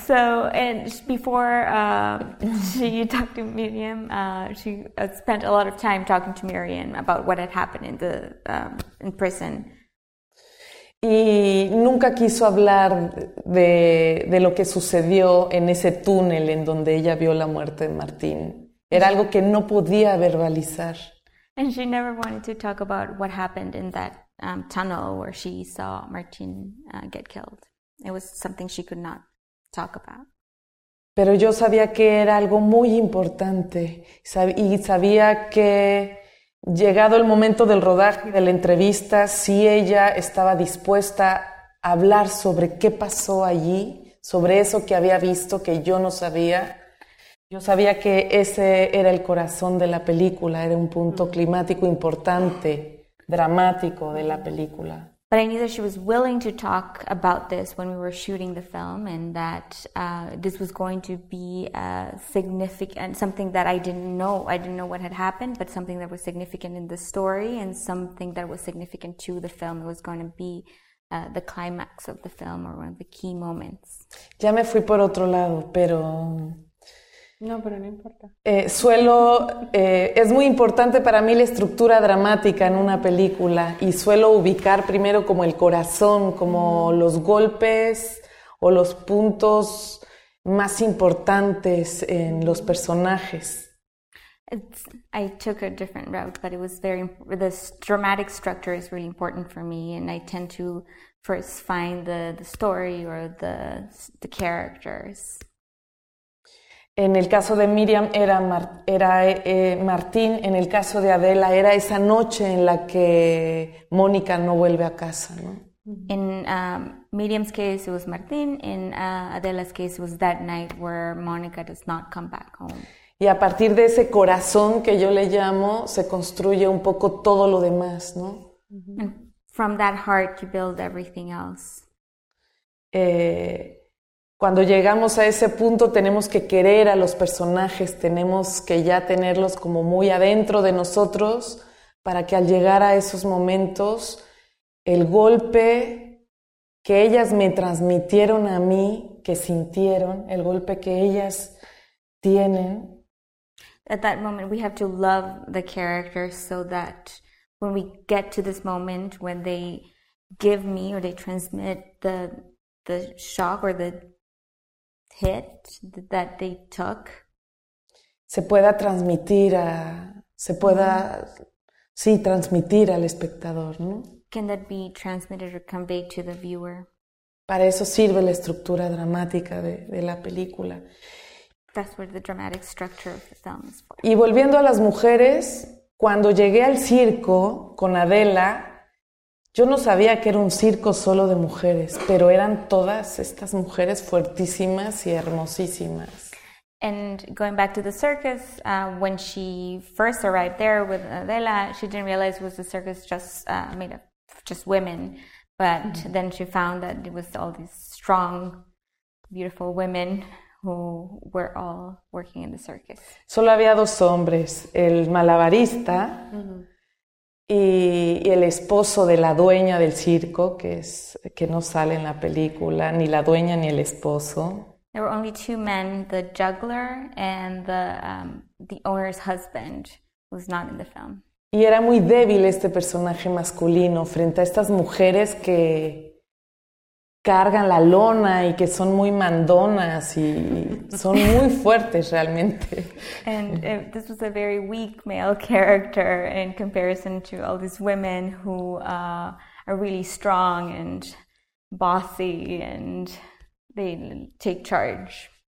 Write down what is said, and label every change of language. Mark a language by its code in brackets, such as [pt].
[en] So and before you talked to Miriam, she spent a lot of time talking to Miriam about what had happened in the in prison. [es] Y nunca quiso hablar de lo que sucedió en ese túnel en donde ella vio la muerte de Martín. Era algo que no podía verbalizar. [en] And she never wanted to talk about what happened in that tunnel where she saw Martín get killed. It was something she could not talk about. [es] Pero yo sabía que era algo muy importante. Y sabía que llegado el momento del rodaje y de la entrevista, si ella estaba dispuesta a hablar sobre qué pasó allí, sobre eso que había visto que yo no sabía, yo sabía que ese era el corazón de la película, era un punto climático importante, dramático de la película. [en] But I knew that she was willing to talk about this when we were shooting the film, and that this was going to be significant, something that I didn't know. I didn't know what had happened, but something that was significant in the story and something that was significant to the film. It was going to be the climax of the film or one of the key moments. [es] Ya me fui por otro lado, pero... No, pero no importa. Es muy importante para mí la estructura dramática en una película y suelo ubicar primero como el corazón, como los golpes o los puntos más importantes en los personajes. [en] I took a different route, but it was very, the dramatic structure is really important for me, and I tend to first find the story or the characters. [es] En el caso de Miriam era Martín, en el caso de Adela era esa noche en la que Mónica no vuelve a casa, ¿no? [en] In Miriam's case it was Martín, in Adela's case it was that night where Mónica does not come back home. [es] Y a partir de ese corazón que yo le llamo se construye un poco todo lo demás, ¿no? [en] And from that heart you build everything else. [es] Cuando llegamos a ese punto tenemos que querer a los personajes, tenemos que ya tenerlos como muy adentro de nosotros para que al llegar a esos momentos el golpe que ellas me transmitieron a mí, que sintieron, el golpe que ellas tienen. [en] At that moment we have to love the characters so that when we get to this moment when they give me or they transmit the shock or the hit that they took. [es] Se pueda transmitir a, se pueda, mm-hmm. sí, transmitir al espectador, ¿no? [en] Can that be transmitted or conveyed to the viewer? [es] Para eso sirve la estructura dramática de la película. [en] That's what the dramatic structure of the film is for. [es] Y volviendo a las mujeres, cuando llegué al circo con Adela, yo no sabía que era un circo solo de mujeres, pero eran todas estas mujeres fuertísimas y hermosísimas. [en] And going back to the circus, when she first arrived there with Adela, she didn't realize it was a circus just made of just women. But mm-hmm. then she found that it was all these strong, beautiful women who were all working in the circus. [es] Solo había dos hombres, el malabarista. Mm-hmm. Y el esposo de la dueña del circo, que no sale en la película, ni la dueña ni el esposo. [en] There were only two men, the juggler and the owner's husband, who was not in the film. [es] Y era muy débil este personaje masculino frente a estas mujeres que cargan la lona y que son muy mandonas y son muy fuertes realmente. [en] And this was a very weak male character in comparison to all these women who are really strong and bossy and they take charge.